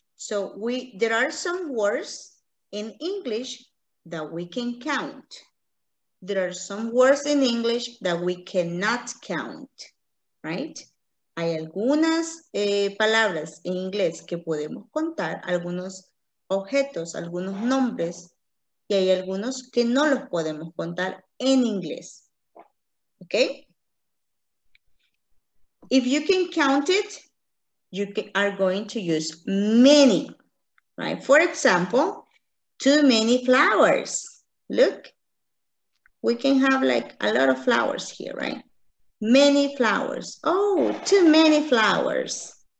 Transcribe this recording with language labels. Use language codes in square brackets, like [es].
[en] So there are some words in English that we can count. There are some words in English that we cannot count, right? [es] Hay algunas palabras en inglés que podemos contar, algunos objetos, algunos nombres, y hay algunos que no los podemos contar en inglés, okay? [en] If you can count it, you are going to use many, right? For example, too many flowers. Look, we can have like a lot of flowers here, right? Many flowers. Oh, too many flowers.